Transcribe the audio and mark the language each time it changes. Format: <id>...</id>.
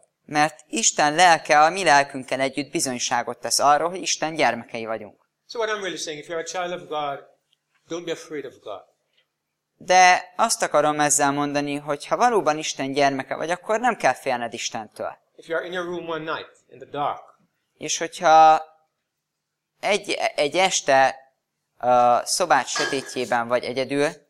<hu>Mert Isten lelke a mi lelkünkkel együtt bizonyságot tesz arról, hogy Isten gyermekei vagyunk.</hu> <en>So what I'm really saying, if you're a child of God, don't be afraid of God.</en> <hu>De azt akarom ezzel mondani, hogy ha valóban Isten gyermeke vagy, akkor nem kell félned Istentől.</hu> <en>If you are in your room one night in the dark.</en> <hu>És hogyha egy este a szobád sötétjében vagy egyedül,</hu>